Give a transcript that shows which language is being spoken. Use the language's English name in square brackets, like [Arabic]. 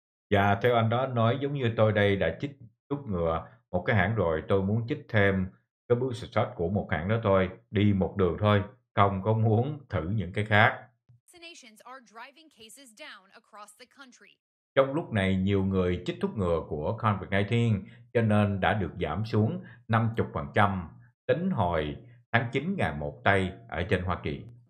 [Vietnamese] Và theo anh đó nói giống như tôi đây đã chích thuốc ngừa một cái hãng rồi, tôi muốn chích thêm cái booster shot của một hãng đó thôi, đi một đường thôi, không có muốn thử những cái khác. [English] Vaccinations are driving cases down across the country. [Vietnamese] Trong lúc này, nhiều người chích thuốc ngừa của COVID-19 cho nên đã được giảm xuống 50% tính hồi tháng 9 ngày 1 Tây ở trên Hoa Kỳ.